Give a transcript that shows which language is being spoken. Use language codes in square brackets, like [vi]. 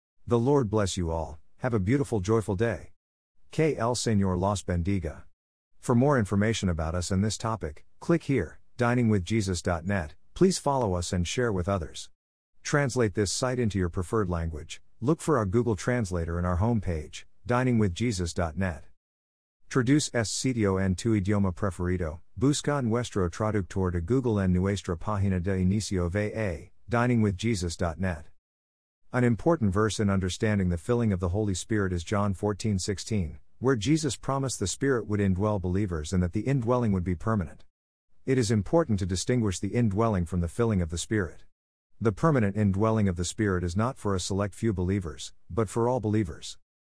[en] The Lord bless you all, have a beautiful, joyful day. [es] Que el Señor los bendiga. [en] For more information about us and this topic, click here, diningwithjesus.net, please follow us and share with others. Translate this site into your preferred language, look for our Google Translator in our homepage, diningwithjesus.net. [es] Traduce este sitio en tu idioma preferido, busca nuestro traductor de Google en nuestra página de inicio VA, diningwithjesus.net. [en] An important verse in understanding the filling of the Holy Spirit is John 14:16, where Jesus promised the Spirit would indwell believers and that the indwelling would be permanent. It is important to distinguish the indwelling from the filling of the Spirit. The permanent indwelling of the Spirit is not for a select few believers, but for all believers.